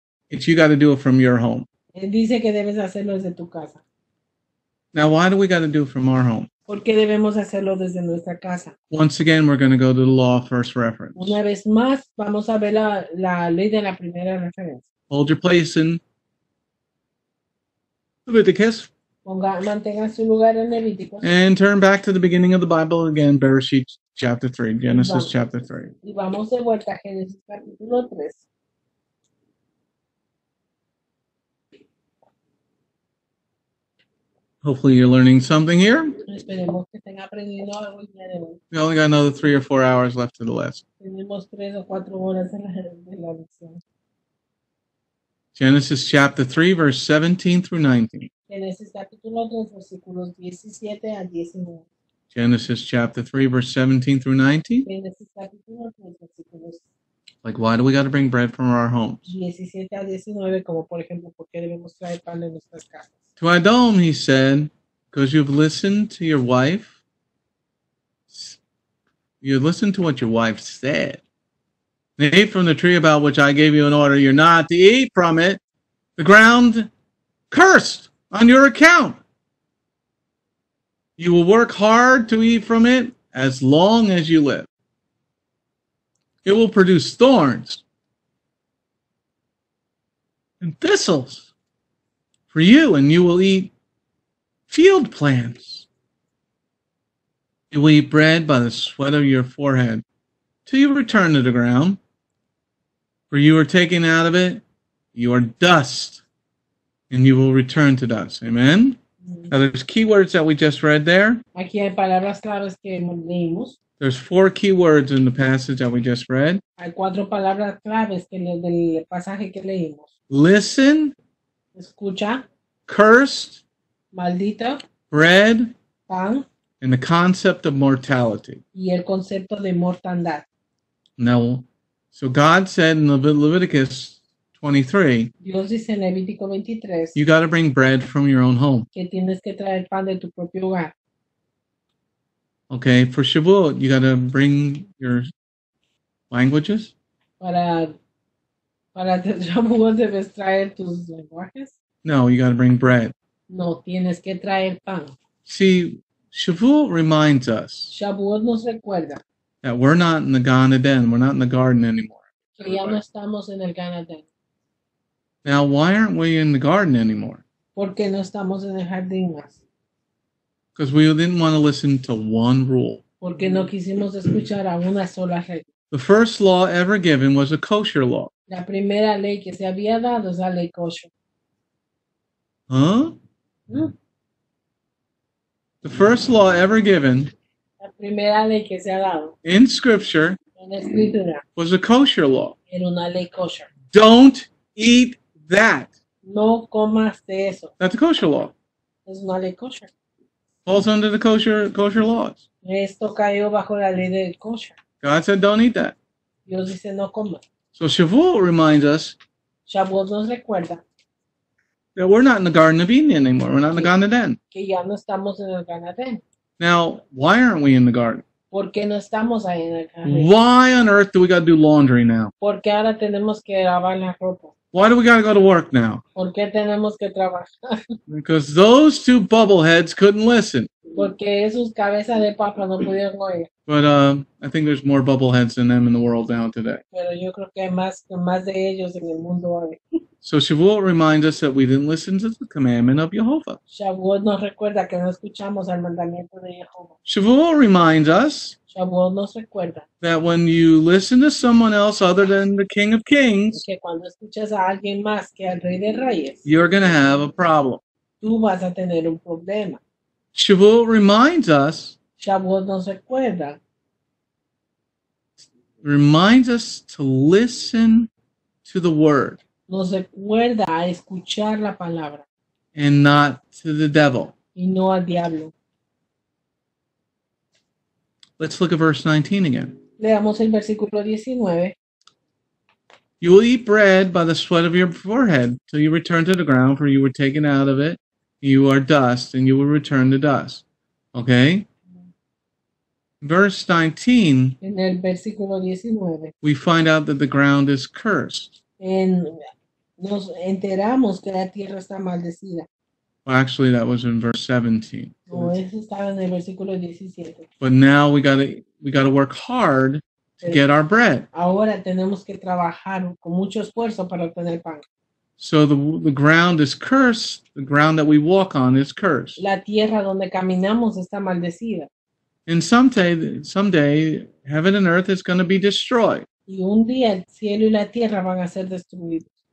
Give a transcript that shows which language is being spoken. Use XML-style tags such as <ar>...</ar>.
<en>it's you got to do it from your home.</en> <es>Dice que debes hacerlo desde tu casa.</es> <en>Now, why do we got to do it from our home?</en> <es>Porque debemos hacerlo desde nuestra casa.</es> <en>Once again, we're going to go to the law of first reference.</en> <es>Una vez más, vamos a ver la ley de la primera referencia.</es> <en>Hold your place in Leviticus. And turn back to the beginning of the Bible again, Bereshit chapter 3, Genesis</en> <es>vamos,</es> <en>chapter 3.</en> <es>Y vamos de vuelta a Génesis capítulo 3.</es> <en>Hopefully you're learning something here.</en> <es>Esperemos que estén aprendiendo algo bien.</es> <en>We only got another 3 or 4 hours left to the lesson.</en> <es>Tenemos 3 o 4 horas en la lección.</es> <en>Genesis chapter 3, verse 17 through 19.</en> <es>Genesis capítulo 3, versículos 17 a 19.</es> <en>Genesis chapter 3, verse 17 through 19.</en> <es>Genesis capítulo 3, versículos.</es> <en>Like, why do we got to bring bread from our homes?</en> <es>17 a 19, como por ejemplo, ¿por qué debemos traer pan de nuestras casas?</es> <en>To Adam, he said, because you've listened to your wife. You listened to what your wife said. They ate from the tree about which I gave you an order. You're not to eat from it. The ground cursed on your account. You will work hard to eat from it as long as you live. It will produce thorns and thistles for you, and you will eat field plants. You will eat bread by the sweat of your forehead till you return to the ground. For you are taken out of it, you are dust, and you will return to dust. Amen? Mm-hmm. Now, there's key words that we just read there.</en> <es>Aquí hay palabras claves que leímos.</es> <en>There's 4 key words in the passage that we just read.</en> <es>Hay 4 palabras claves que del pasaje que leímos.</es> <en>Listen.</en> <es>Escucha.</es> <en>Cursed.</en> <es>Maldito.</es> <en>Bread.</en> <es>Pan.</es> <en>And the concept of mortality.</en> <es>Y el concepto de mortandad.</es> <en>Now, so God said in Leviticus 23,</en> <es>Dios dice en Levítico 23,</es> <en>you got to bring bread from your own home.</en> <es>Que tienes que traer pan de tu propio hogar.</es> <en>Okay, for Shavuot, you got to bring your languages.</en> <es>Para Shavuot debes traer tus lenguajes.</es> <en>No, you got to bring bread.</en> <es>No, tienes que traer pan.</es> <en>See, Shavuot reminds us.</en> <es>Shavuot nos recuerda.</es> <en>That we're not in the Gan Eden. We're not in the garden anymore.</en> <es>Ya no estamos en el Gan Eden.</es> <en>Now, why aren't we in the garden anymore?</en> <es>Porque no estamos en el jardín más.</es> <en>Because we didn't want to listen to one rule.</en> <es>Porque no quisimos escuchar a una sola regla.</es> <en>The first law ever given was a kosher law.</en> <es>La primera ley que se había dado es la ley kosher.</es> <en>Huh? Mm. The first law ever given.</en> <es>Primera ley que se ha dado.</es> <en>In scripture,</en> <es>en escritura,</es> <en>was a kosher law.</en> <es>Era una ley kosher.</es> <en>Don't eat that.</en> <es>No comas de eso.</es> <en>That's a kosher law.</en> <es>Es una ley kosher.</es> <en>Falls under the kosher laws.</en> <es>Esto cayó bajo la ley del kosher.</es> <en>God said, don't eat that.</en> <es>Dios dice no coma.</es> <en>So Shavuot reminds us.</en> <es>Shavuot nos recuerda.</es> <en>That we're not in the Garden of Eden anymore. We're not in the Garden of Eden.</en> <es>Que ya no estamos en el Garden of Eden.</es> <en>Now, why aren't we in the garden?</en> <es>¿Por qué no estamos ahí en el garden?</es> <en>Why on earth do we got to do laundry now?</en> <es>¿Por qué ahora tenemos que lavar la ropa?</es> <en>Why do we got to go to work now?</en> <es>¿Por qué tenemos que trabajar?</es> <en>Because those two bubbleheads couldn't listen.</en> <es>Porque esos cabezas de papa no pudieron oír.</es> <en>But I think there's more bubbleheads than them in the world now today.</en> <es>Pero yo creo que hay más de ellos en el mundo hoy.</es> <en>So Shavuot reminds us that we didn't listen to the commandment of Yehovah.</en> <es>Shavuot nos recuerda que no escuchamos al mandamiento de Yehovah.</es> <en>Shavuot reminds us.</en> <es>Shavuot nos recuerda.</es> <en>That when you listen to someone else other than the King of Kings.</en> <es>Que cuando escuchas a alguien más que al Rey de Reyes.</es> <en>You're going to have a problem.</en> <es>Tú vas a tener un problema.</es> <en>Shavuot reminds us.</en> <es>Shavuot nos recuerda.</es> <en>Reminds us to listen to the word.</en> <es>Nos recuerda a escuchar la palabra.</es> <en>And not to the devil.</en> <es>Y no al diablo.</es> <en>Let's look at verse 19 again.</en> <es>Leamos el versículo 19.</es> <en>You will eat bread by the sweat of your forehead till you return to the ground, for you were taken out of it. You are dust, and you will return to dust. Okay? Verse 19.</en> <es>En el versículo 19.</es> <en>We find out that the ground is cursed.</en> <es>Nos enteramos que la tierra está maldecida.</es> <en>Well, actually, that was in verse 17.</en> <es>No, eso estaba en el versículo 17.</es> <en>But now we gotta work hard to get our bread.</en> <es>Ahora tenemos que trabajar con mucho esfuerzo para obtener pan.</es> <en>So the ground is cursed. The ground that we walk on is cursed.</en> <es>La tierra donde caminamos está maldecida.</es> <en>And someday heaven and earth is going to be destroyed.</en> <es>Y un día el cielo y la tierra van a ser destruidos.</es>